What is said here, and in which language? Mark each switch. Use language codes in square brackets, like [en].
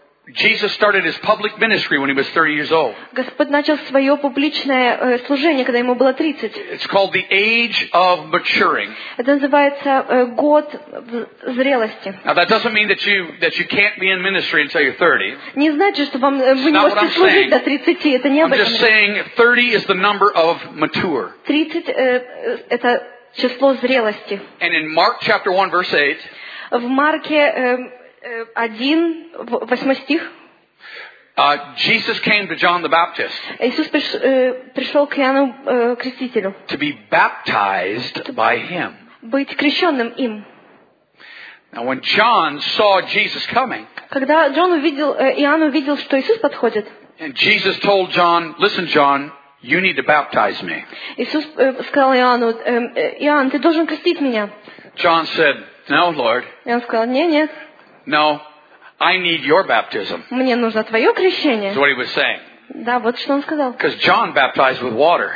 [en] Jesus started his public ministry when he was 30 years old. [ru] Господь начал своё публичное служение, когда ему было 30. [en] It's called the age of maturing. [ru] Это называется год зрелости. [en] Now that doesn't mean that you can't be in ministry until you're 30. [ru] Не значит, что вам вы не можете служить до 30. Это не об этом. [en] I'm just saying 30 is the number of mature. [ru] 30 это число зрелости. [en] And in Mark chapter 1 verse 8. [ru] В Марке 1, 8 стих. [en] Jesus came to John the Baptist. [ru] Иисус пришел к Иоанну Крестителю. [en] To be baptized by him. [ru] Быть крещенным им. [en] Now when John saw Jesus coming. [ru] Когда Джон увидел Иоанн увидел, что Иисус подходит. [en] And Jesus told John, "Listen, John, you need to baptize me." [ru] Иисус сказал Иоанну, Иоанн, ты должен крестить меня. [en] John said, "No, Lord." [ru] И он сказал, нет. [en] No, I need your baptism. [ru] Мне нужно твое крещение. [en] That's what he was saying. [ru] Да, вот что он сказал. [en] Because John baptized with water.